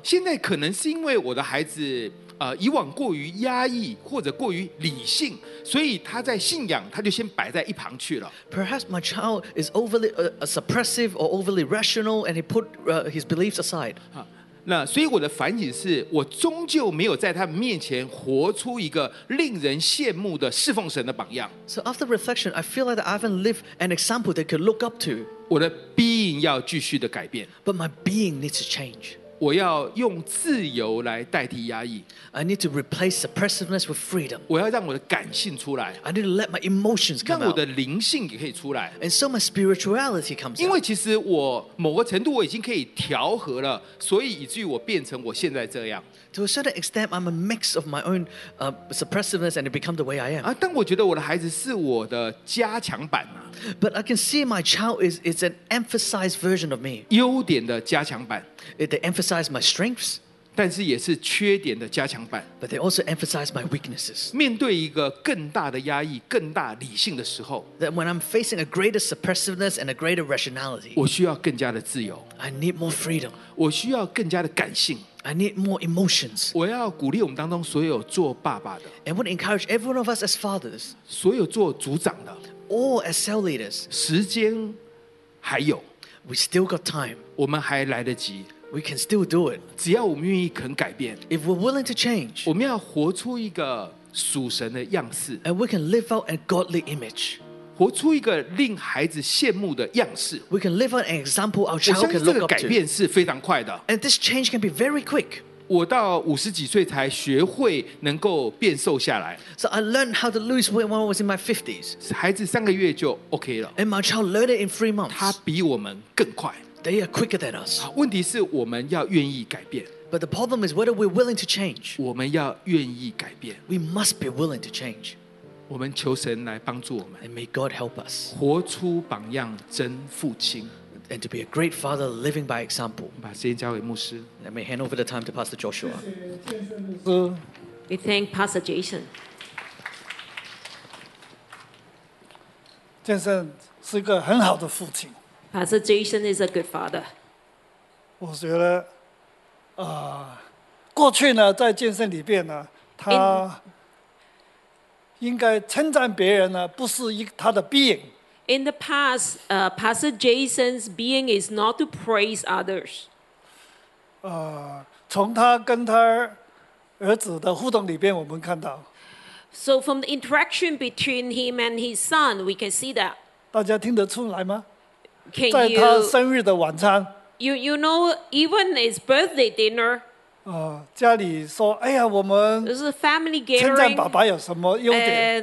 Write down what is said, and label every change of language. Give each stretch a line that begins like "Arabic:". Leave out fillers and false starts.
Chinese: 现在可能是因为我的孩子。以往过于压抑或者过于理性，所以他在信仰他就先摆在一旁去了。
English: Perhaps my child is overly suppressive or overly rational, and he put his beliefs aside.
Chinese: 那所以我的反省是，我终究没有在他面前活出一个令人羡慕的侍奉神的榜样。
English: So after reflection, I feel like I haven't lived an example they could look up to.
Chinese: 我的 being 要继续的改变。
English: But my being needs to change.
Chinese: 我要用自由来代替压抑。
English: I need to replace suppressiveness with freedom.
Chinese: 我要让我的感性出来。
English: I need to let my emotions come out.
Chinese: 让我的灵性也可以出来。
English: And so my spirituality comes out.
Chinese: 因为其实我某个程度我已经可以调和了，所以以至于我变成我现在这样。
English: To a certain extent, I'm a mix of my own suppressiveness and it become the way I am.
Chinese: 但我觉得我的孩子是我的加强版啊。
English: But I can see my child is an emphasized version of me.
Chinese: 优点的加强版。
English: They emphasize my strengths,
Chinese: 但是也是缺点的加强版。
English: But they also emphasize my weaknesses.
Chinese: 面对一个更大的压抑、更大理性的时候
English: ，That when I'm facing a greater suppressiveness and a greater rationality,
Chinese: 我需要更加的自由。
English: I need more freedom.
Chinese: 我需要更加的感性。
English: I need more emotions.
Chinese: 我要鼓励我们当中所有做爸爸的。
English: And I want to encourage every one of us as fathers.
Chinese: 所有做组长的。
English: All as cell leaders.
Chinese: 时间还有。
English: We still got time.
Chinese: 我们还来得及。
English: We can still do it.
Chinese: 只要我们愿意肯改变。
English: If we're willing to change.
Chinese: 我们要活出一个属神的样式。
English: And we can live out a godly image.
Chinese: 活出一个令孩子羡慕的样式。
English: We can live out an example our child can look up to.
Chinese: 我相信这个改变是非常快的。
English: And this change can be very quick.
Chinese: 我到五十几岁才学会能够变瘦下来。
English: So I learned how to lose weight when I was in my 50s.
Chinese: 孩子三个月就 OK 了。
English: And my child learned it in 3 months.
Chinese: 他比我们更快。
English: They are quicker than us.
Chinese: 问题是我们要愿意改变。
English: But the problem is whether we're willing to change.
Chinese: 我们要愿意改变。
English: We must be willing to change.
Chinese: 我们求神来帮助我们。
English: And may God help us.
Chinese: 活出榜样真父亲。
English: And to be a great father living by example.
Chinese: 把时间交给牧师。
English: Let me hand over the time to Pastor Joshua. We thank Pastor Jason.
Chinese: 建圣是一个很好的父亲。
English: Pastor Jason is a good father.
Chinese: 我觉得，过去呢，在健身里边呢，他应该称赞别人呢，不是他的 being.
English: In the past, Pastor Jason's being is not to praise others.
Chinese: 从他跟他儿子的互动里边，我们看到。
English: So from the interaction between him and his son, we can see that.
Chinese: 大家听得出来吗？
English: Can
Chinese: 在他生日的晚餐
English: you know, even his birthday dinner.
Chinese: 家里说，哎呀，我们
English: this is a family gathering.
Chinese: 称赞爸爸有什么优点？